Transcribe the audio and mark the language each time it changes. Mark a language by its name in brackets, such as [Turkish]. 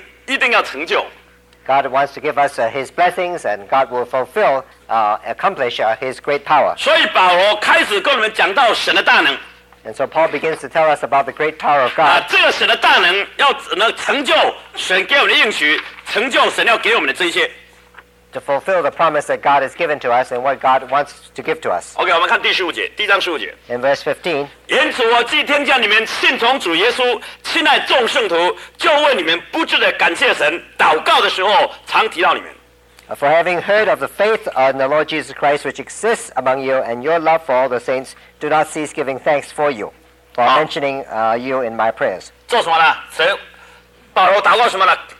[Chinese] 神有很大的能力，神在这里所应许要给我们的恩典，他的大能一定要成就。God [English] wants to give us His blessings, and God will fulfill, accomplish His great power. [Chinese] 所以保罗开始跟我们讲到神的大能。And [English] so Paul begins to tell us about the great power of God. [Chinese] 这个神的大能要能成就神给我们的应许，成就神要给我们的这些。To [English] fulfill the promise that God has given to us and what God wants to give to us. [Chinese] Okay, 我们看第十五节，第一章十五节。In [English] verse 15. [Chinese] 因此我既听见你们信从主耶稣，亲爱众圣徒，就为你们不住地感谢神，祷告的时候常提到你们。For [English] having heard of the faith in the Lord Jesus Christ which exists among you and your love for all the saints, do not cease giving thanks for you, for mentioning you in my prayers. [Chinese] 做什么呢？保罗祷告什么呢？